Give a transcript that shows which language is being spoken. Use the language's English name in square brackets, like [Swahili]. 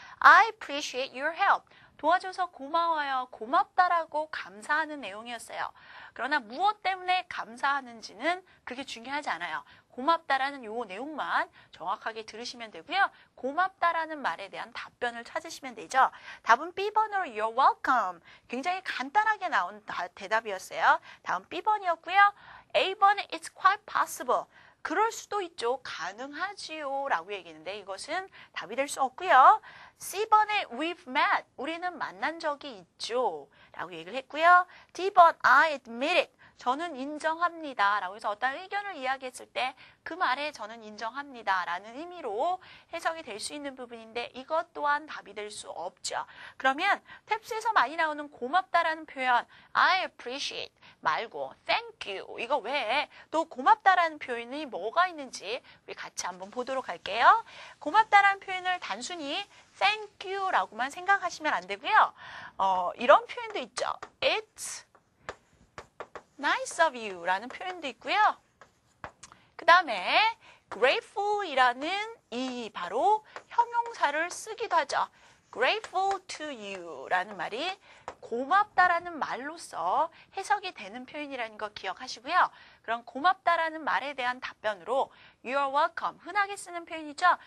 [English] I appreciate your help. [Korean] 도와줘서 고마워요. 고맙다라고 감사하는 내용이었어요. 그러나 무엇 때문에 감사하는지는 그게 중요하지 않아요. 고맙다라는 요 내용만 정확하게 들으시면 되고요. 고맙다라는 말에 대한 답변을 찾으시면 되죠. 답은 B번으로 [English] You're welcome. [Korean] 굉장히 간단하게 나온 대답이었어요. 다음 B번이었고요. A번 [English] It's quite possible. [Korean] 그럴 수도 있죠. 가능하지요. 라고 얘기했는데 이것은 답이 될수 없고요. C번에 [English] We've met. [Korean] 우리는 만난 적이 있죠. 라고 얘기를 했고요. D번 [English] I admit it. [Korean] 저는 인정합니다 라고 해서 어떤 의견을 이야기했을 때 그 말에 저는 인정합니다 라는 의미로 해석이 될 수 있는 부분인데 이것 또한 답이 될 수 없죠. 그러면 탭스에서 많이 나오는 고맙다라는 표현 I appreciate 말고 thank you 이거 외에 또 고맙다라는 표현이 뭐가 있는지 우리 같이 한번 보도록 할게요. 고맙다라는 표현을 단순히 thank you 라고만 생각하시면 안 되고요. 이런 표현도 있죠. [English] It's nice of you [Korean] 라는 표현도 있고요. 그 다음에 grateful 이라는 이 바로 형용사를 쓰기도 하죠. [English] grateful to you [Korean] 라는 말이 고맙다라는 말로서 해석이 되는 표현이라는 거 기억하시고요. 그럼 고맙다라는 말에 대한 답변으로 [English] you're welcome [Korean] 흔하게 쓰는 표현이죠.